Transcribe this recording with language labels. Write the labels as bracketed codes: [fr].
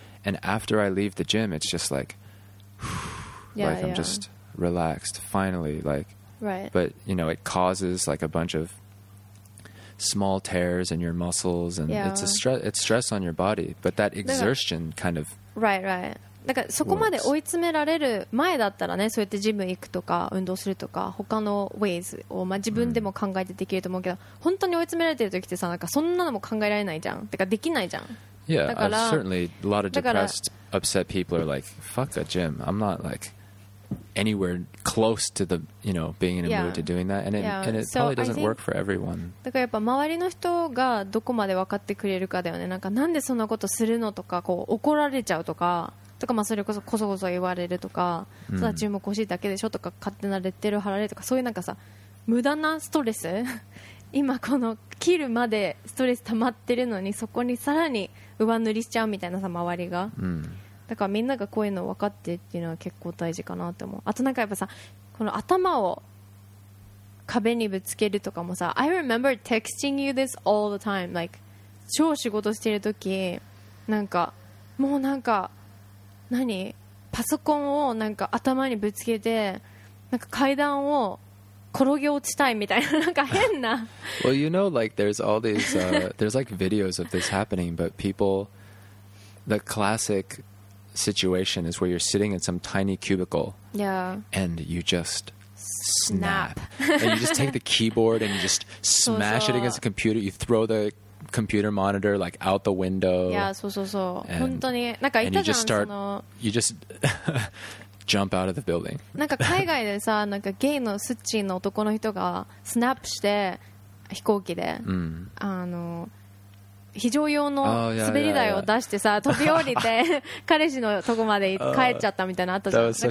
[en] And after I leave the gym, it's just like, I'm just relaxed, finally. Like, right. But, you know, it causes like a bunch of small tears in your muscles, and it's stress on your body, but that exertion kind of right [ja] だからそこまで追い詰められる前だったらね、そうやってジム行くとか運動するとか他の ways をまあ自分でも考えてできると思うけど、本当に追い詰められてる時ってさ、なんかそんなのも考えられないじゃん、てかできないじゃん。 [en] Yeah, I've certainly a lot of depressed, upset people are like, fuck a gym. I'm not like anywhere close to the, you know, being in a mood to doing that. And it probably doesn't work for everyone. [ja] だからやっぱ周りの人がどこまで分かってくれるかだよね。なんかなんでそんなことするのとか、こう怒られちゃうとか、とかまあそれこそこそこそ言われるとか、ただ注目欲しいだけでしょとか、勝手なレッテル貼られるとか、そういうなんかさ、無駄なストレス今この切るまでストレス溜まってるのに、そこにさらに上塗りしちゃうみたいなさ、周りが、だからみんながこういうの分かってっていうのは結構大事かなと思う。あとなんかやっぱさ、この頭を壁にぶつけるとかもさ、 [en] I remember texting you this all the time、 [ja] like 超仕事してる時、なんかもうなんか何、パソコンをなんか頭にぶつけて、なんか階段を転げ落ちたいみたいな、なんか変な。 [en] Well, you know, like there's all these, there's like videos of this happening, but people, the classic situation is where you're sitting in some tiny cubicle, yeah, and you just snap, and you just take the keyboard and you just smash it against the computer, you throw the computer monitor like out the window. Yeah, so so so. [ja] 本当に、なんか言ったじゃん、その。 [en] And you just start, you just. Jump out of the building. [ja] なんか海外でさ、なんかゲイのスッチンの男の人がスナップして飛行機で、あの非常用の滑り台を出してさ、飛び降りて彼氏のとこまで帰っちゃったみたいなあったじゃん。